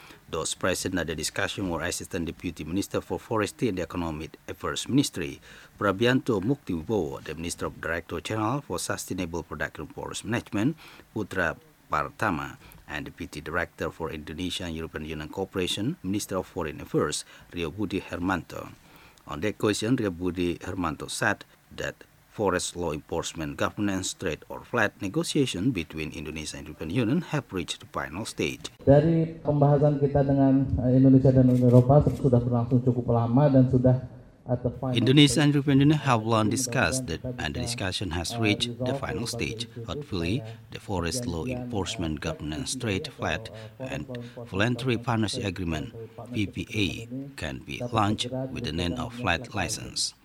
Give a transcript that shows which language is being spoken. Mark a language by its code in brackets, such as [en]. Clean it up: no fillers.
[en] Those present at the discussion were Assistant Deputy Minister for Forestry and the Economic Affairs Ministry, Prabianto Muktiwibowo, the Minister of Director General for Sustainable Production Forest Management, Putra Partama, and Deputy Director for Indonesia and European Union Cooperation, Minister of Foreign Affairs, Rio Budi Hermanto. On that question, Rio Budi Hermanto said that forest law enforcement governance trade or flat negotiation between Indonesia and European Union have reached the final stage. [id] Dari pembahasan kita dengan Indonesia dan Uni Eropa sudah berlangsung cukup lama dan sudah [en] Indonesia and European Union have long discussed that, and the discussion has reached the final stage. Hopefully, the forest law enforcement governance trade flat and voluntary partnership agreement, VPA, can be launched with the name of flat license.